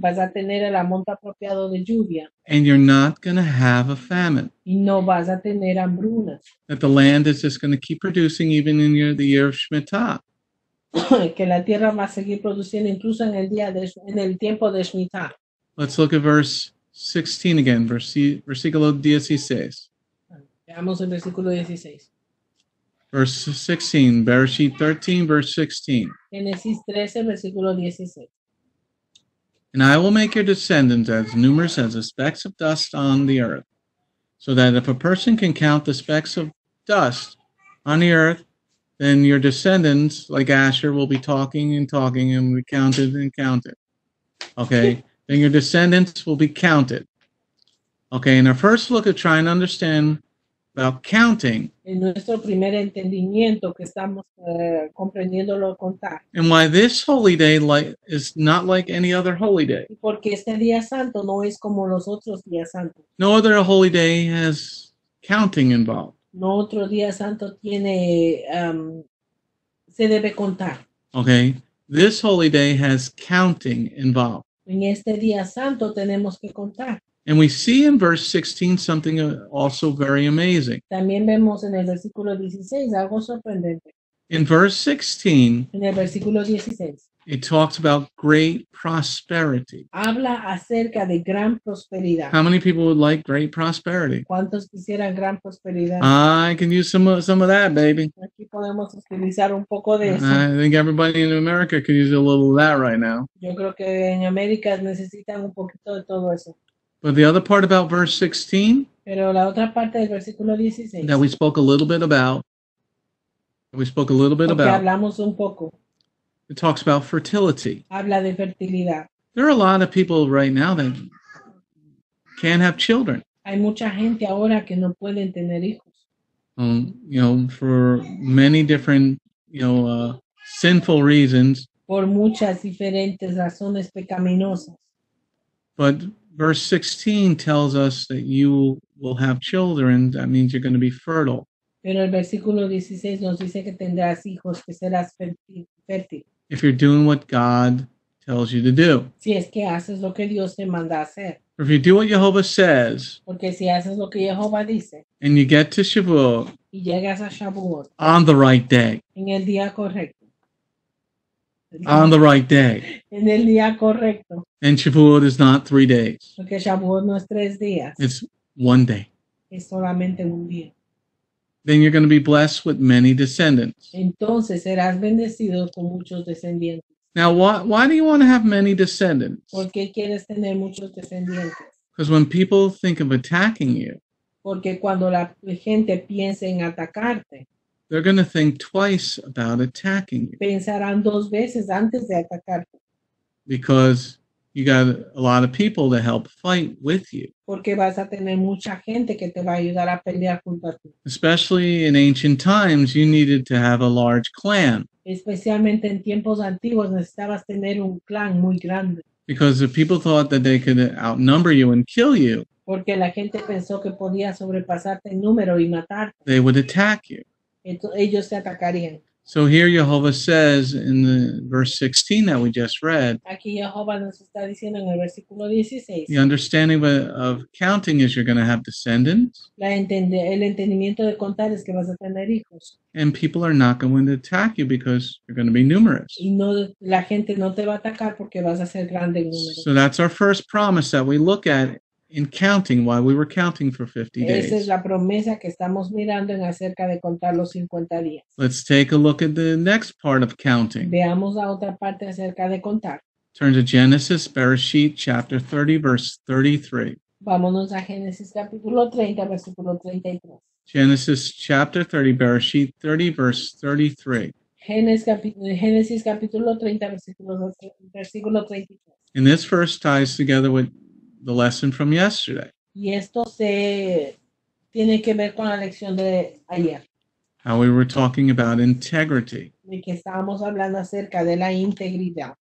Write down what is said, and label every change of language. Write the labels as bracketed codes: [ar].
[es] Vas a tener el amonto apropiado de lluvia. [en] And you're not going to have a famine. [es] Y no vas a tener hambrunas. [en] That the land is just going to keep producing even in the year of Shemitah. [es] Que la tierra va a seguir produciendo incluso en el día de, en el tiempo de Shemitah. [en] Let's look at verse 16 again. [es] Versículo 16. Veamos el versículo 16. [en] Verse 16, Bereshit 13, verse 16. [es] Génesis 13, versículo 16. [en] And I will make your descendants as numerous as the specks of dust on the earth, so that if a person can count the specks of dust on the earth, then your descendants, like Asher, will be talking and talking and be counted and counted. Okay, then your descendants will be counted. Okay, in our first look at trying to understand about counting. [es] En nuestro primer entendimiento que estamos comprendiéndolo contar. [en] And why this holy day is not like any other holy day. [es] Porque este día santo no es como los otros días santos. [en] No other holy day has counting involved. [es] No otro día santo tiene se debe contar. [en] Okay. This holy day has counting involved. [es] En este día santo tenemos que contar. [en] And we see in verse 16 something also very amazing. [es] También vemos en el versículo 16 algo sorprendente. [en] In verse 16, [es] en el versículo 16, [en] it talks about great prosperity. [es] Habla acerca de gran prosperidad. [en] How many people would like great prosperity? [es] ¿Cuántos quisieran gran prosperidad? [en] I can use some of that, baby. [es] Aquí podemos utilizar un poco de eso. [en] I think everybody in America could use a little of that right now. [es] Yo creo que en América necesitan un poquito de todo eso. [en] But the other part about verse 16, [es] pero la otra parte del versículo 16, [en] that we spoke a little bit about, [es] hablamos un poco. [en] It talks about fertility. [es] Habla de fertilidad. [en] There are a lot of people right now that can't have children. [es] Hay mucha gente ahora que no pueden tener hijos. [en] For many different, sinful reasons. [es] Por muchas diferentes razones pecaminosas. [en] But verse 16 tells us that you will have children. That means you're going to be fertile. [es] Pero el versículo 16 nos dice que tendrás hijos, que serás fértil. [en] If you're doing what God tells you to do. [es] Si es que haces lo que Dios te manda hacer. [en] Or if you do what Jehovah says. [es] Porque si haces lo que Jehovah dice. [en] And you get to Shavuot. [es] Y llegas a Shavuot. [en] On the right day. [es] En el día correcto. [en] On the right day. [es] En el día correcto. [en] And Shavuot is not 3 days. [es] Porque Shavuot no es 3 días. [en] It's one day. [es] Es solamente un día. [en] Then you're going to be blessed with many descendants. [es] Entonces serás bendecido con muchos descendientes. [en] Now, why do you want to have many descendants? [es] ¿Por qué quieres tener muchos descendientes? [en] Because when people think of attacking you, [es] porque cuando la gente piensa en atacarte, [en] they're going to think twice about attacking you. [es] Pensarán dos veces antes de atacarte. [en] Because you got a lot of people to help fight with you. [es] Porque vas a tener mucha gente que te va a ayudar a pelear junto a ti. [en] Especially in ancient times, you needed to have a large clan. [es] Especialmente en tiempos antiguos, necesitabas tener un clan muy grande. [en] Because if people thought that they could outnumber you and kill you, [es] porque la gente pensó que podía sobrepasarte en número y matarte, [en] they would attack you. [es] Entonces, ellos te atacarían. [en] So here Jehovah says in the verse 16 that we just read, [es] aquí Jehovah nos está diciendo en el versículo 16, [en] the understanding of counting is you're going to have descendants. [es] El entendimiento de contar es que vas a tener hijos. [en] And people are not going to attack you because you're going to be numerous. [es] Y no, la gente no te va a atacar porque vas a ser grande en número. [en] So that's our first promise that we look at in counting, why we were counting for 50 days. [es] Esa es la promesa que estamos mirando en acerca de contar los 50 días. [en] Let's take a look at the next part of counting. [es] Veamos la otra parte acerca de contar. [en] Turn to Genesis, Bereshit, chapter 30, verse 33. [es] Vámonos a Génesis capítulo 30, versículo 33. [en] Genesis chapter 30, Bereshit 30, verse 33. [es] Génesis capítulo 30, versículo 33. [en] And this verse ties together with the lesson from yesterday. [es] Y esto se tiene que ver con la lección de ayer. [en] How we were talking about integrity. [es] De que estábamos hablando acerca de la integridad.